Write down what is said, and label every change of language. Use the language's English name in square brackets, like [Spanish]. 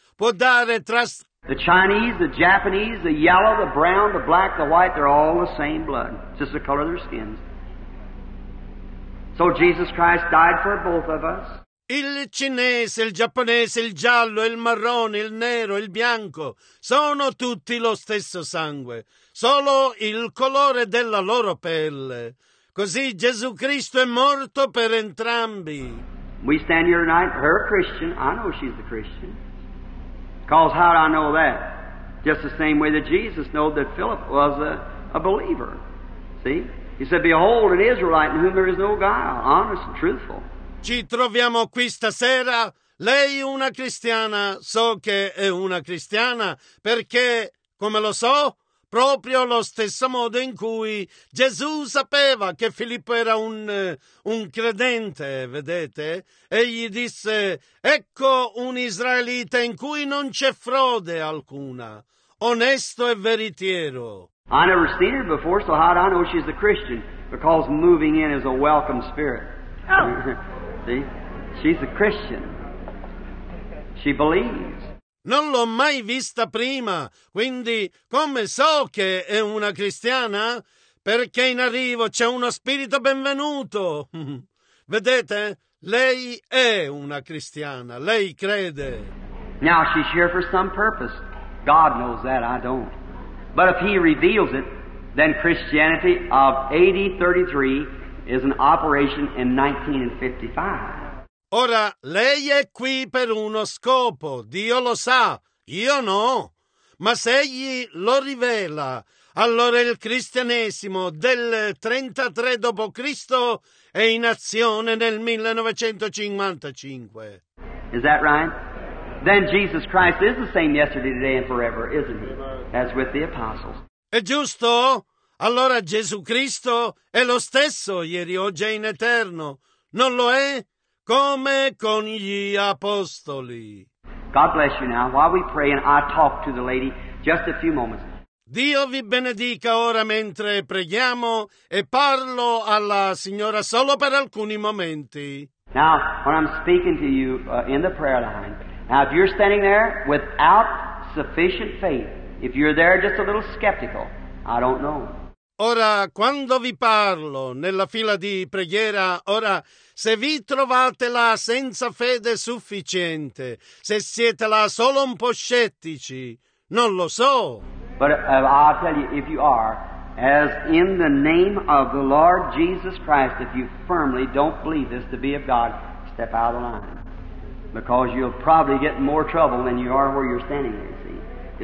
[Italian] Può dare [English] the Chinese, the Japanese, the yellow, the brown, the black, the white, they're all the same blood, just the color of their skins. So Jesus Christ died for both of us. [Italian] Il cinese, il giapponese, il giallo, il marrone, il nero, il bianco sono tutti lo stesso sangue, solo il colore della loro pelle. Così Gesù Cristo è morto per entrambi. [English] We stand here tonight, her Christian, I know she's a Christian. Cause how do I know that? Just the same way that Jesus knew that Philip was a believer. See? He said, behold, an Israelite in whom there is no guile, honest and truthful. [Italian] Ci troviamo qui stasera, lei una cristiana, so che è una cristiana, perché, come lo so, proprio lo stesso modo in cui Gesù sapeva che Filippo era un credente, vedete? Egli disse, ecco un israelita in cui non c'è frode alcuna, onesto e veritiero. [English] I never seen her before, so how do I know she's a Christian? Because moving in is a welcome spirit. See? She's a Christian. She believes. [Italian] Non l'ho mai vista prima, quindi come so che è una cristiana? Perché in arrivo c'è uno spirito benvenuto. Vedete? Lei è una cristiana. Lei crede. [English] Now she's here for some purpose. God knows that, I don't. But if he reveals it, then Christianity of AD 33 is an operation in 1955. [Italian] Ora, lei è qui per uno scopo, Dio lo sa, io no. Ma se egli lo rivela, allora il cristianesimo del 33 dopo Cristo è in azione nel 1955. [English] Is that right? Then Jesus Christ is the same yesterday, today and forever, isn't he? As with the apostles. [Italian] È giusto? Allora Gesù Cristo è lo stesso ieri, oggi e in eterno, non lo è? Come con gli apostoli. [English] God bless you now, while we pray and I talk to the lady, just a few moments. [Italian] Dio vi benedica ora mentre preghiamo e parlo alla signora solo per alcuni momenti. [English] Now, when I'm speaking to you in the prayer line, now if you're standing there without sufficient faith, if you're there just a little skeptical, I don't know. [Italian] Ora, quando vi parlo nella fila di preghiera, ora, se vi trovate là senza fede sufficiente, se siete là solo un po' scettici, non lo so. [English] But I'll tell you, if you are, as in the name of the Lord Jesus Christ, if you firmly don't believe this to be of God, step out of the line. Because you'll probably get more trouble than you are where you're standing here, see.